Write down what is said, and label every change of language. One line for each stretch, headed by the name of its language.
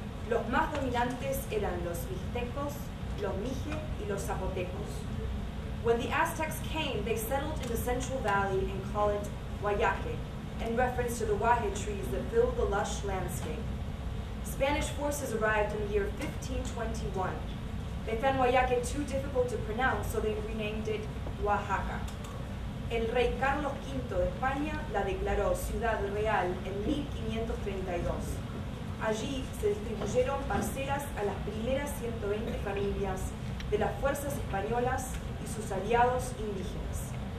Spanish: Los más dominantes eran los mixtecos, los mije y los zapotecos.
English: When the Aztecs came, they settled in the central valley and call it Huayaque, in reference to the huaje trees that fill the lush landscape. Spanish forces arrived in the year 1521. They found Huayaque too difficult to pronounce, so they renamed it Oaxaca.
Spanish: El rey Carlos V de España la declaró Ciudad Real en 1532. Allí se distribuyeron parcelas a las primeras 120 familias de las fuerzas españolas y sus aliados indígenas.